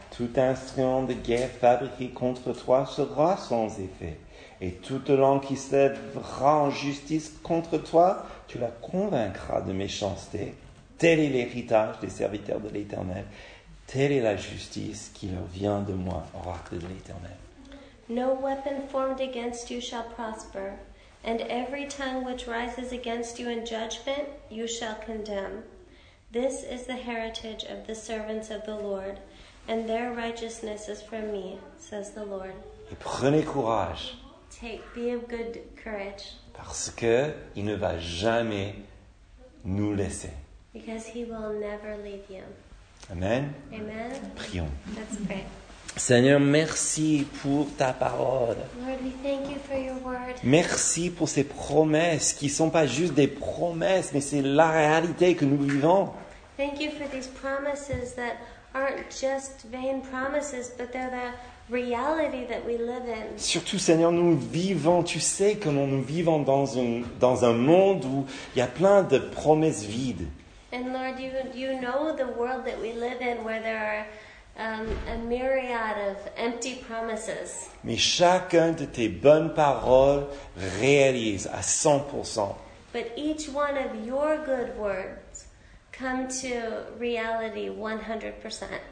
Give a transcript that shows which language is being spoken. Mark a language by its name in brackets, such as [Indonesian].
[French] Tout instrument de guerre fabriqué contre toi sera sans effet. Et toute langue qui se lèvera en justice contre toi, tu la convaincras de méchanceté. Tel est l'héritage des serviteurs de l'Éternel. Telle est la justice qui leur vient de moi, oracle de l'Éternel. [English] No weapon formed against you shall prosper, and every tongue which rises against you in judgment, you shall condemn. This is the heritage of the servants of the Lord, and their righteousness is from me, says the Lord. [French] Et prenez courage. [English] Be of good courage. [French] Parce qu'il ne va jamais nous laisser. [English] Because he will never leave you. [French] Amen. [English] Amen. [French] Prions. [English] Let's pray. [French] Seigneur, merci pour ta parole. [English] Lord, we thank you for your word. [French] Merci pour ces promesses qui ne sont pas juste des promesses, mais c'est la réalité que nous vivons. [English] Thank you for these promises that aren't just vain promises, but they're the reality that we live in. [French] Surtout, Seigneur, nous vivons, tu sais comment nous vivons dans un monde où il y a plein de promesses vides. [English] And Lord, you know the world that we live in where there are a myriad of empty promises. [French] Mais chacun de tes bonnes paroles réalise à 100%. [English] But each one of your good words come to reality 100%.